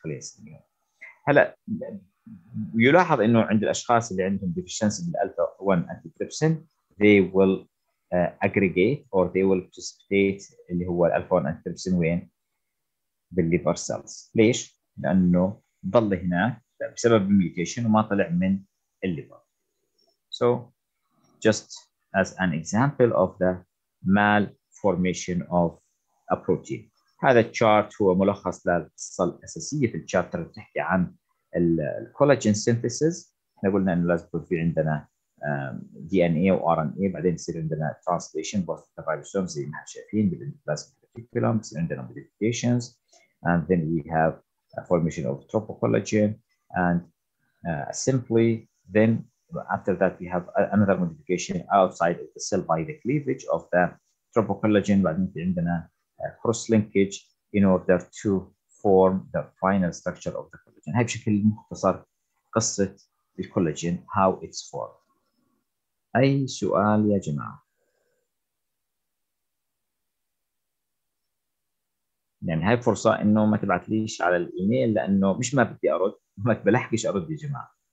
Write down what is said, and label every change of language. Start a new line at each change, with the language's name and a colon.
Arabic: خلينا نسميهم هلا، يلاحظ انه عند الاشخاص اللي عندهم ديفيشنسي بالالفا 1 انتي تريبسين
English: they will aggregate or they will precipitate
Arabic: اللي هو الالفا 1 انتي تريبسين وين؟ بالليفر سيلز. ليش؟ لانه ضل هنا بسبب الميوتيشن وما طلع من الليفر.
English: So just as an example of the malformation of a protein.
Arabic: هذا الشارت هو ملخص للقصه الاساسيه في الشابتر اللي بتحكي عن الكولاجين سينثيسز. احنا قلنا انه لازم يكون في عندنا دي ان اي وار ان اي، بعدين يصير عندنا ترانسليشن بوث الرايبوسوم زي ما احنا شايفين بالاندوبلازميك ريتيكولوم، يصير عندنا موديفيكيشنز،
English: And then we have formation of tropocollagen, and simply then after that we have another modification outside of the cell by the cleavage of the tropocollagen.
Arabic: بعدين في عندنا
English: cross linkage in order to form the final structure of the collagen.
Arabic: هاي بشكل مختصر قصة الكولاجين
English: how it's formed.
Arabic: أي سؤال يا جماعة؟ يعني هاي فرصة إنه ما تبعتليش على الإيميل، لأنه مش ما بدي أرد، ما بلحقش أرد يا جماعة.